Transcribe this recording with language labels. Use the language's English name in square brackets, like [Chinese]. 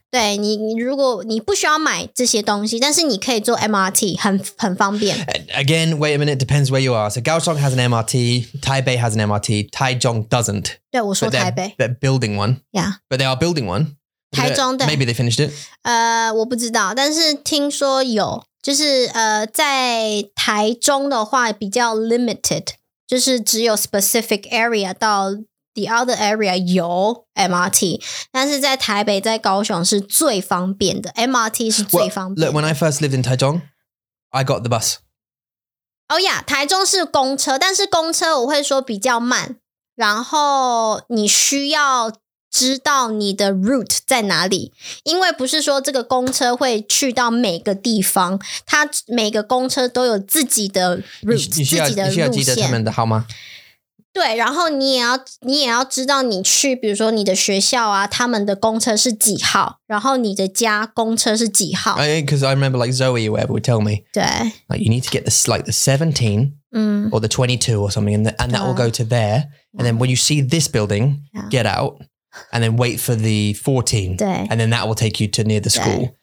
[Chinese] 对 你如果你不需要买这些东西但是你可以坐 MRT, 很方便。 [English] Again, wait a minute, depends where you are. So, 高雄 has an MRT, 台北 has an MRT, 台中 doesn't. [Chinese] 对我说台北 [English] they're building one yeah but they are building one [Chinese] 台中的 [English] maybe they finished it [Chinese] 我不知道但是听说有就是在台中的话比较 limited 就是只有 specific area 到 [English] the other area [Chinese] 有 MRT 但是在台北在高雄是最方便的 MRT 是最方便的 [English] well, look when I first lived in 台中 I got the bus [Chinese] oh yeah 台中是公车但是公车我会说比较慢然后你需要知道你的 route 在哪里因为不是说这个公车会去到每个地方它每个公车都有自己的 route 自己的路线你需要记得他们的号码对然后你也要知道你去比如说你的学校啊他们的公车是几号然后你的家公车是几号 [English] Because I remember like Zoe or whatever would tell me [Chinese] 对 [English] like you need to get the, like the 17or the 22 or something and that will go to there and then when you see this building get out and then wait for the 14 and then that will take you to near the school